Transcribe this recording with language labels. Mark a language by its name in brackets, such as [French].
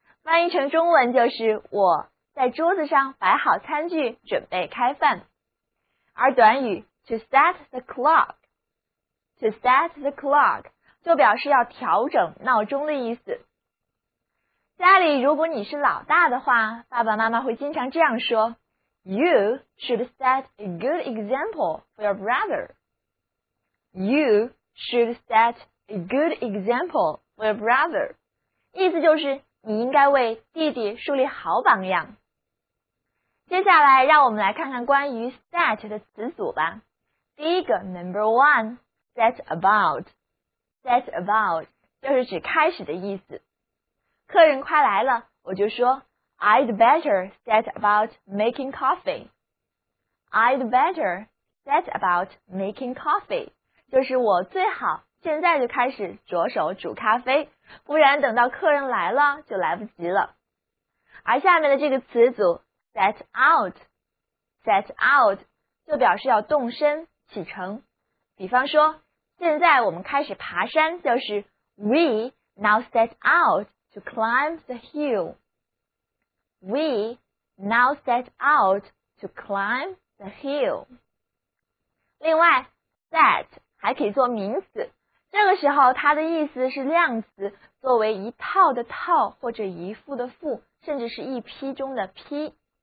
[Chinese] 翻译成中文就是我在桌子上摆好餐具，准备开饭。而短语 to set the clock， to set the clock 就表示要调整闹钟的意思。家里如果你是老大的话，爸爸妈妈会经常这样说。 [English] You should set a good example for your brother. You should set a good example for your brother. [Chinese] 意思就是你应该为弟弟树立好榜样。接下来让我们来看看关于 set 的词组吧。第一个 number one, set about. Set about 就是指开始的意思。客人快来了，我就说 [English] I'd better set about making coffee. I'd better set about making coffee. [Chinese] 就是我最好现在就开始着手煮咖啡，不然等到客人来了就来不及了。而下面的这个词组 set out, set out 就表示要动身启程。比方说现在我们开始爬山，就是 [English] We now set out to climb the hill. We now set out to climb the hill. [Chinese] 另外 set 还可以做名词，这个时候它的意思是量词，作为一套的套或者一副的副，甚至是一批中的批。